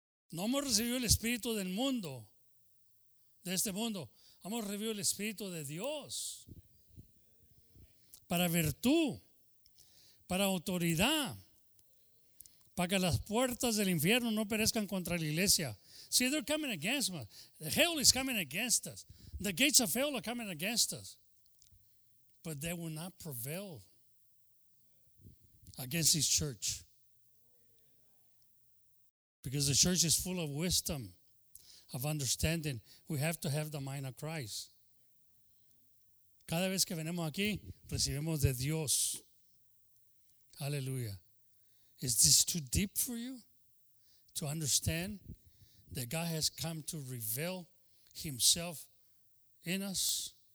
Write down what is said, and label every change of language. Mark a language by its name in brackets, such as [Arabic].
[Spanish] No hemos recibido el espíritu del mundo, de este mundo. Hemos recibido el espíritu de Dios para virtud, para autoridad, para que las puertas del infierno no perezcan contra la iglesia. [English] See, they're coming against us. The hell is coming against us. The gates of hell are coming against us. But they will not prevail against His church. Because the church is full of wisdom, of understanding. We have to have the mind of Christ. [Spanish] Cada vez que venimos aquí, recibimos de Dios. [English] Hallelujah. Is this too deep for you to understand that God has come to reveal Himself in us?